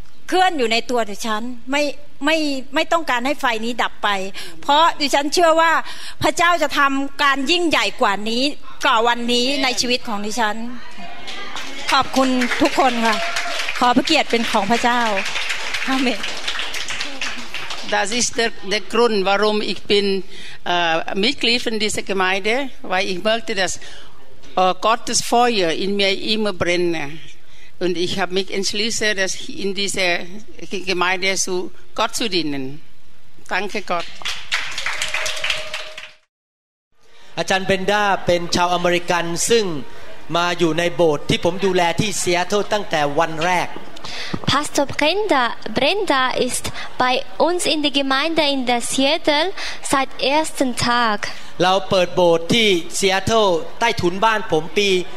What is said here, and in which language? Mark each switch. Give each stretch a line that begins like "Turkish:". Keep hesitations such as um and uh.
Thai: คลื่อนอยู่ในตัวดิฉันไม่ไม่ไม่ต้องการให้ไฟนี้ดับไป เพราะดิฉันเชื่อว่าพระเจ้าจะทําการยิ่งใหญ่กว่านี้ก่อวันนี้ในชีวิตของดิฉันขอบคุณทุกคนค่ะขอพระเกียรติเป็นของพระเจ้าอาเมน
German: Das ist der, der Grund, warum ich bin äh, Mitglied in dieser Gemeinde, weil ich möchte, dass äh, Gottes Feuer in mir immer brennt. Und ich habe mich entschließen, dass in dieser Gemeinde zu Gott zu dienen. Danke Gott.
Thai: อาจารย์เบนด้าเป็นชาวอเมริกันซึ่งมาอยู่ในโบสถ์ที่ผมดูแลที่เซียโตตั้งแต่วันแรก
German: Pastor Brenda Brenda ist bei uns in der Gemeinde in der Seattle seit ersten Tag
Thai: เราเปิดโบสถ์ที่เซียโตใต้ถุนบ้านผมปี 1988